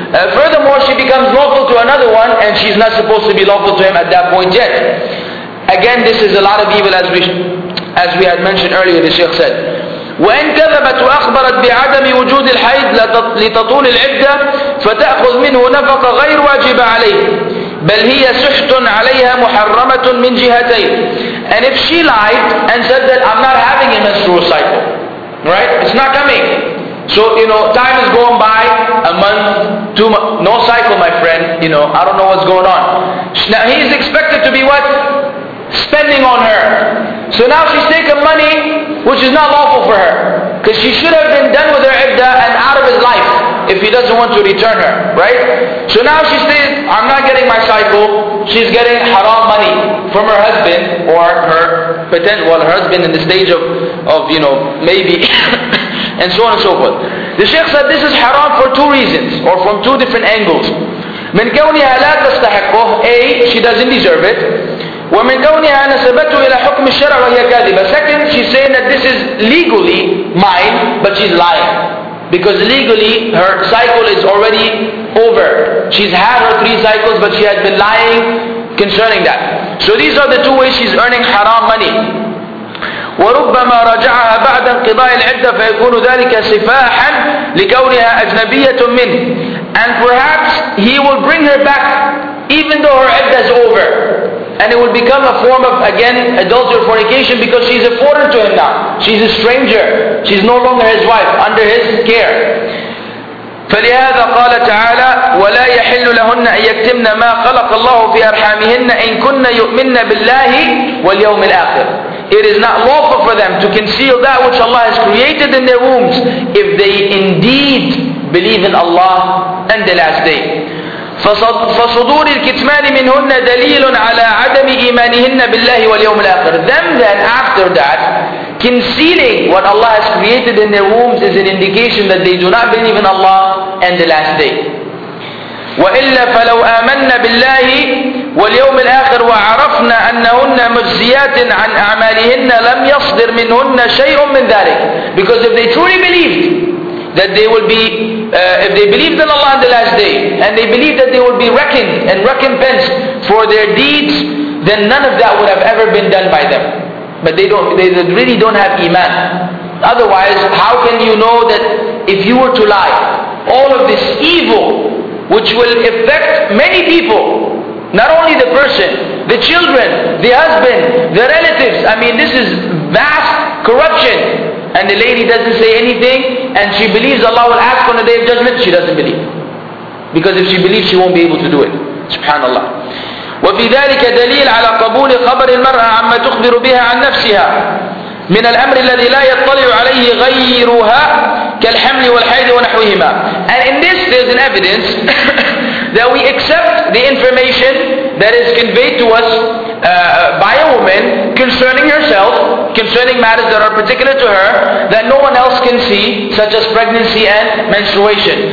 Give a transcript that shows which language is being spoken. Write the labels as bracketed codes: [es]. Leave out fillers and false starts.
[en] Furthermore, she becomes lawful to another one and she's not supposed to be lawful to him at that point yet. Again, this is a lot of evil as we had mentioned earlier, the Shaykh said. [ar] وإن كذبت وأخبرت بعدم وجود الحيض لتطول العدة فتأخذ منه نفقة غير واجبة عليه بل هي سحت عليها محرمة من جهتين. [en] And if she lied and said that I'm not having a menstrual cycle, right? It's not coming. So, you know, time is going by, a month, 2 months, no cycle, my friend, you know, I don't know what's going on. Now he is expected to be what? Spending on her. So now she's taken money which is not lawful for her, because she should have been done with her idda and out of his life if he doesn't want to return her, right? So now she says, I'm not getting my cycle. She's getting haram money from her husband or her potential, well, her husband in the stage of you know, maybe, and so on and so forth. The Shaykh said this is haram for two reasons, or from two different angles. [ar] من كونها لا تستحقه, [en] A, she doesn't deserve it. [ar] ومن كونها نسبته إلى حكم الشرع وهي كاذبة. [en] Second, she's saying that this is legally mine, but she's lying. Because legally, her cycle is already over. She's had her 3 cycles, but she has been lying concerning that. So these are the two ways she's earning haram money. [ar] وربما رجعها بعد انقضاء العدة فيكون ذلك سفاحا لكونها أجنبية منه. [en] And perhaps he will bring her back even though her idda is over. And it will become a form of, again, adultery or fornication, because she's a foreign to him now. She's a stranger. She's no longer his wife, under his care. [ar] فَلِهَذَا قَالَ تَعَالَى وَلَا يَحِلُّ لَهُنَّ أَن يَكْتِمْنَ مَا خَلَقَ اللَّهُ فِي أَرْحَامِهِنَّ إِن كُنَّ يُؤْمِنَّ بِاللَّهِ وَالْيَوْمِ الْآخِرِ. [en] It is not lawful for them to conceal that which Allah has created in their wombs if they indeed believe in Allah and the last day. [ar] فصدور الكتمان منهن دليل على عدم إيمانهن بالله واليوم الآخر. [en] Them then after that, concealing what Allah has created in their wombs is an indication that they do not believe in Allah and the last day. [ar] وإلا فلو آمنا بالله واليوم الآخر وعرفنا أنهن مجزيات عن أعمالهن لم يصدر منهن شيء من ذلك. [en] Because if they truly believed that they will be, if they believed in Allah on the last day, and they believed that they will be reckoned and recompensed for their deeds, then none of that would have ever been done by them. But they really don't have iman. Otherwise, how can you know that if you were to lie all of this evil, which will affect many people, not only the person, the children, the husband, the relatives. I mean, this is vast corruption. And the lady doesn't say anything, and she believes Allah will ask on the Day of Judgment. She doesn't believe, because if she believes, she won't be able to do it. [ar] Subhanallah. وفي ذلك دليل على قبول خبر المرأة عما تخبر بها عن نفسها من الأمر الذي لا يطلع عليه غيرها كالحمل والحيض ونحوهما. [en] And in this there's an evidence that we accept the information that is conveyed to us by a woman concerning herself, concerning matters that are particular to her, that no one else can see, such as pregnancy and menstruation.